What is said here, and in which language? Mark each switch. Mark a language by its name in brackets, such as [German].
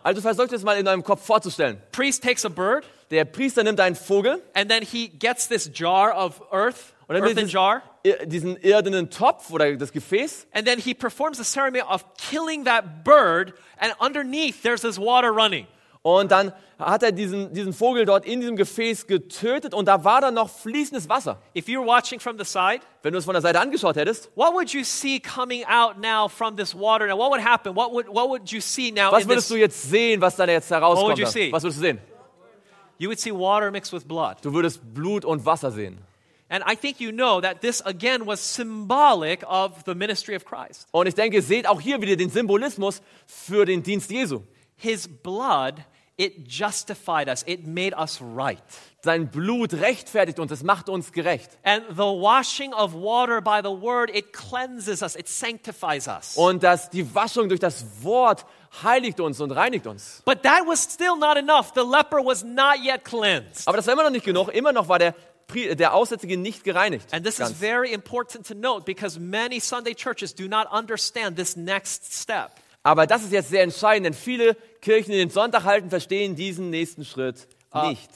[German] Also versucht es mal in deinem Kopf vorzustellen. [English] Priest takes a bird. [German] Der Priester nimmt einen Vogel. [English] And then he gets this jar of earth. Oder earthen jar, [German] diesen irdenen Topf oder das Gefäß. [English] And then he performs the ceremony of killing that bird, and underneath there's this water running. [German] Und dann hat er diesen Vogel dort in diesem Gefäß getötet und da war dann noch fließendes Wasser. [English] If you were watching from the side, [German] wenn du es von der Seite angeschaut hättest, [English] what would you see coming out now from this water? Now what would happen? What would you see now? [German] Was würdest du jetzt sehen, was da jetzt herauskommt? Was würdest du sehen? [English] You would see water mixed with blood. [German] Du würdest Blut und Wasser sehen. [English] And I think you know that this again was symbolic of the ministry of Christ. [German] Und ich denke, seht auch hier wieder den Symbolismus für den Dienst Jesu. [English] His blood, it justified us. It made us right. [German] Sein Blut rechtfertigt uns. Es macht uns gerecht. [English] And the washing of water by the word, it cleanses us. It sanctifies us. [German] Und dass die Waschung durch das Wort heiligt uns und reinigt uns. [English] But that was still not enough. The leper was not yet cleansed. [German] Aber das war immer noch nicht genug. Immer noch war der Aussätzige nicht gereinigt. [English] And this is very important to note because many Sunday churches do not understand this next step. [German] Aber das ist jetzt sehr entscheidend, denn viele Kirchen, die den Sonntag halten, verstehen diesen nächsten Schritt nicht.